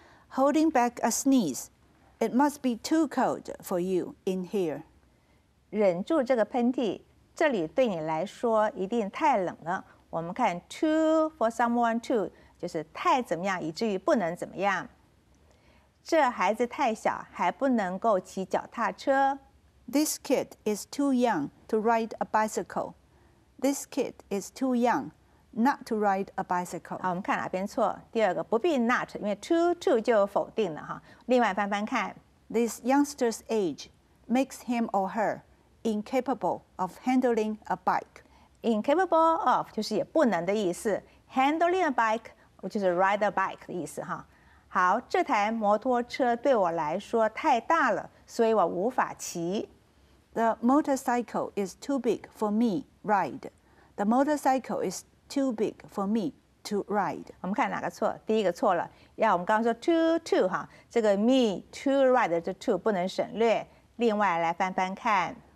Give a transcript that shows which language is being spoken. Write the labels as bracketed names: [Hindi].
[English] Holding back a sneeze, it must be too cold for you in here. [Chinese] 忍住这个喷嚏，这里对你来说一定太冷了。我们看 [English] too for someone to [Chinese] 就是太怎么样，以至于不能怎么样。这孩子太小，还不能够骑脚踏车。 [English] This kid is too young to ride a bicycle. This kid is too young. Not to ride a bicycle. [Chinese] 好，我们看哪边错。第二个不必 not， 因为 too 就否定了哈。另外翻翻看 [English] ，This youngster's age makes him or her incapable of handling a bike. Incapable of [Chinese] 就是也不能的意思 ， [English] handling a bike [Chinese] 就是 [English] ride a bike [Chinese] 的意思哈。好，这台摩托车对我来说太大了，所以我无法骑。 [English] The motorcycle is too big for me ride. The motorcycle is too big for me to ride. [Chinese] 我们看哪个错？第一个错了。要我们刚刚说 too 哈，这个 [English] me too ride [Chinese] 的 too 不能省略。另外来翻翻看